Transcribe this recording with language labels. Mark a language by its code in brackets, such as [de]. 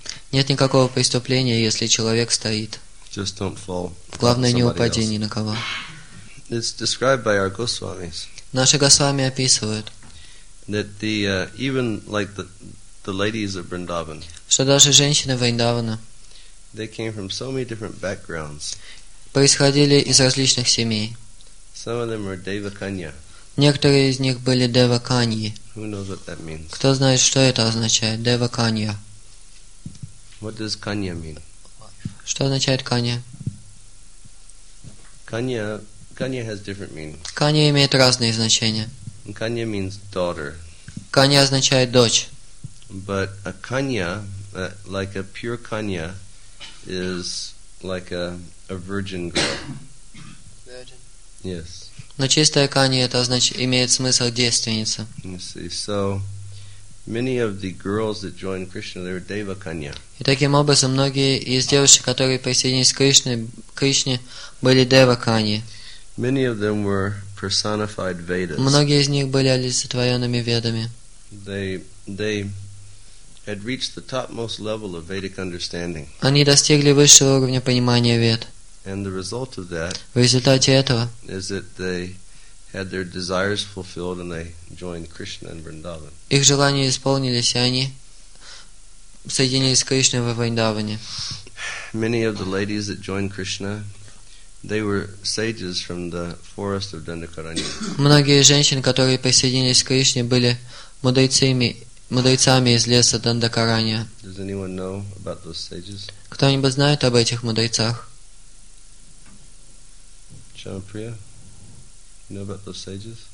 [ru] Нет никакого преступления, если человек стоит. [en] Just don't fall. [ru] Главное, не упади ни на кого. [en] It's described by our Goswamis. [ru] Наши Госвами описывают. [en] That the even like the ladies of Vrindavan. [ru] Что даже женщины Вриндавана. [en] They came from so many different backgrounds. [ru] Происходили из различных семей. [en] Some of them were Devakanya. [ru] Некоторые из них были Девакани. [en] Who knows what that means? [ru] Кто знает, что это означает? Девакания. [en] What does Kanya mean? [ru] Что означает Kanya? [en] Kanya has different meanings. [ru] Kanya имеет разные значения. [en] Kanya means daughter. [ru] Kanya означает дочь. [en] But a Kanya, like a pure Kanya, is like a virgin girl. Virgin. Yes. [ru] Но чистая Kanya это значит имеет смысл девственница. [en] You see, so many of the girls that joined Krishna, they were Devakanya. [ru] И таким образом многие из девушек, которые присоединились к Кришне, были Девакани. [en] Many of them were personified Vedas. [ru] Многие из них были олицетворенными Ведами. [en] They had reached the topmost level of Vedic understanding. [ru] Они достигли высшего уровня понимания Вед. [en] And the result of that [ru] в результате этого [en] is that they had their desires fulfilled and they joined Krishna in Vrindavan. [ru] Их желания исполнились, и они соединились с Кришной во Вриндаване. [en] Many of the ladies that joined Krishna, they were sages from the forest of Dandakaranya. [ru] Многие женщины, которые присоединились к Кришне, были мудрецами из леса Дандакаранья. [en] Does anyone know about those sages? [ru] Кто-нибудь знает об этих мудрецах? [en] Chandrapriya, you know about those sages?